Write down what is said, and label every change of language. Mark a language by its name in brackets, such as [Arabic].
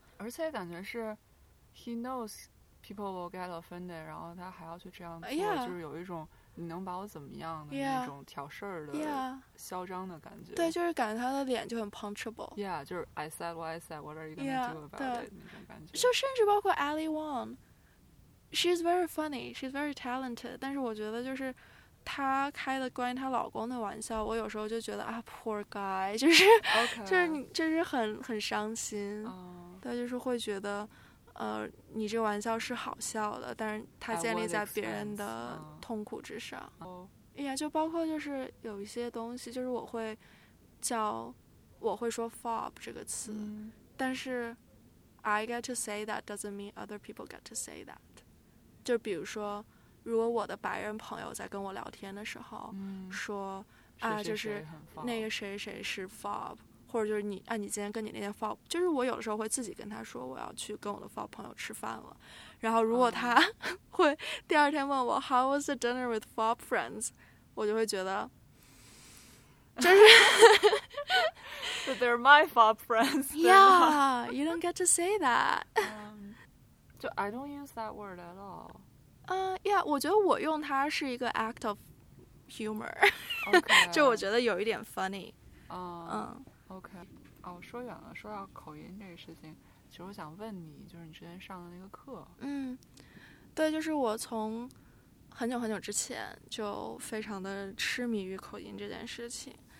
[Chinese] 而且感觉是 [English] he knows people will get offended， [Chinese] 然后他还要去这样做、 [English] yeah. [Chinese] 就是有一种你能把我怎么样的那种挑事儿的嚣张的感觉、 yeah. 对，就是感觉他的脸就很 punchable， [English] yeah， 就是 I said what I said what are you gonna、 yeah. do about it [Chinese] 那种感觉，就甚至包括 Ali Wong， [English] she's very funny， she's very talented， [Chinese] 但是我觉得就是她开的关于她老公的玩笑，我有时候就觉得啊 [English] poor guy， [Chinese] 就是、 [English] okay. [Chinese] 就是很伤心、对，就是会觉得你这玩笑是好笑的，但是它建立在别人的痛苦之上。 yeah, 就包括就是有一些东西，就是我会说 fob 这个词、但是 [English] I get to say that doesn't mean other people get to say that， [Chinese] 就比如说如果我的白人朋友在跟我聊天的时候、说啊，就是那个谁谁是 fob，或者就是你今天跟你那些 fob， 就是我有的时候会自己跟他说我要去跟我的 fob 朋友吃饭了，然后如果他会第二天问我 [English] how was the dinner with fob friends， [Chinese] 我就会觉得就是 [English] but they're my fob friends， yeah， you don't get to say that， so I don't use that word at all， [Chinese] yeah， 我觉得我用它是一个 act of humor， [English] okay， [Chinese] 就我觉得有一点 funny， 嗯、 OK， 哦，说远了，说到口音这个事情，其实我想问你，就是你之前上的那个课。对，就是我从很久很久之前就非常的痴迷于口音这件事情。